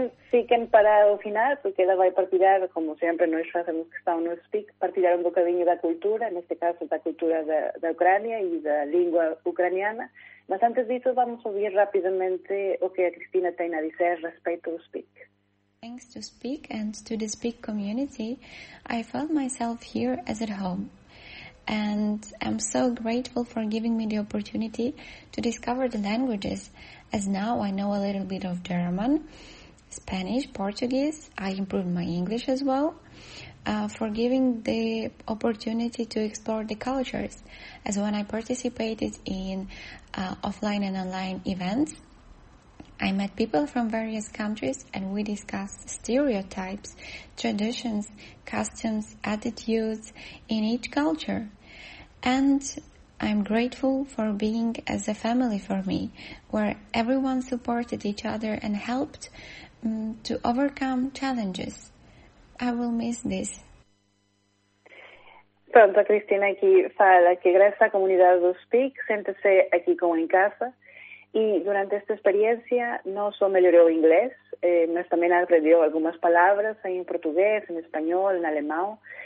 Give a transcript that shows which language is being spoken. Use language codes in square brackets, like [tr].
[pt] Fiquem para o final, porque ela vai partilhar, como sempre nós fazemos questão no Speak, partilhar um bocadinho da cultura, neste caso da cultura da Ucrânia e da língua ucraniana. Mas antes disso, vamos ouvir rapidamente o que a Cristina tem a dizer respeito ao Speak. [en] Thanks to Speak and to the Speak community, I felt myself here as at home. And I'm so grateful for giving me the opportunity to discover the languages, as now I know a little bit of German, Spanish, Portuguese. I improved my English as well, for giving the opportunity to explore the cultures, as when I participated in offline and online events, I met people from various countries and we discussed stereotypes, traditions, customs, attitudes in each culture. And I'm grateful for being as a family for me, where everyone supported each other and helped to overcome challenges. I will miss this. [pt] Pronto, a Cristina aqui fala que graças à comunidade do Speak, sente-se aqui como em casa. E durante esta experiência, não só melhorou o inglês, mas também aprendeu algumas palavras em português, em espanhol, em alemão.